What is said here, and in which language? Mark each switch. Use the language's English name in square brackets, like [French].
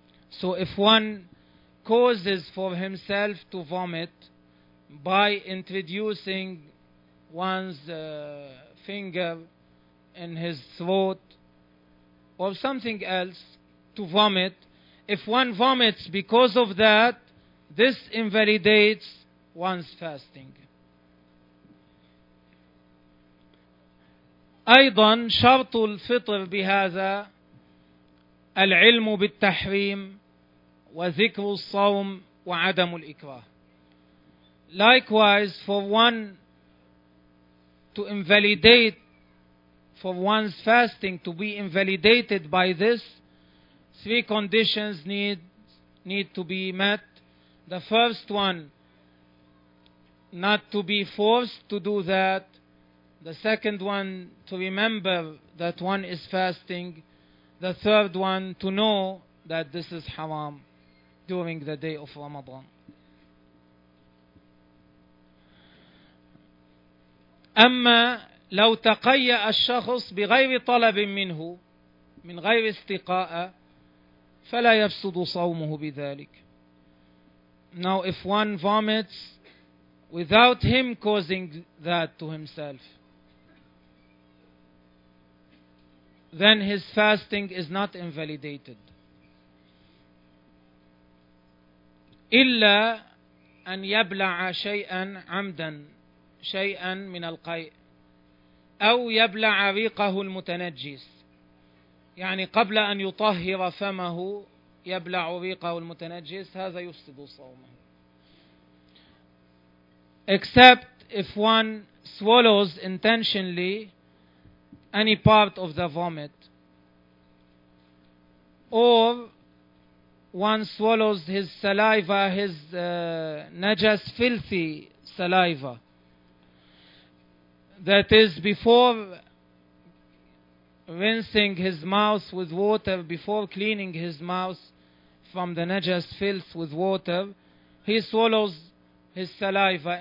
[English] So if one causes for himself to vomit by introducing one's finger in his throat or something else to vomit, if one vomits because of that, this invalidates one's fasting. [Arabic] أيضا شرط الفطر بهذا العلم بالتحريم وذكر الصوم وعدم الإكراه. [English] Likewise, for one to invalidate, for one's fasting to be invalidated by this, three conditions need to be met. The first one, not to be forced to do that. The second one, to remember that one is fasting. The third one, to know that this is haram during the day of Ramadan. [Arabic] أما لو تقيأ الشخص بغير طلب منه من غير استقاء فلا يفسد صومه بذلك. [English] Now if one vomits without him causing that to himself, then his fasting is not invalidated. [Arabic] إلا أن يبلع شيئا عمدا شيئا من القيء أو يبلع ريقه المتنجس. يعني قبل أن يطهر فمه يبلع ريقه المتنجس، هذا يفسد صومه. [English] Except if one swallows intentionally any part of the vomit, or one swallows his saliva, his najas, filthy saliva, that is before rinsing his mouth with water, before cleaning his mouth from the najas, filth with water, he swallows his saliva.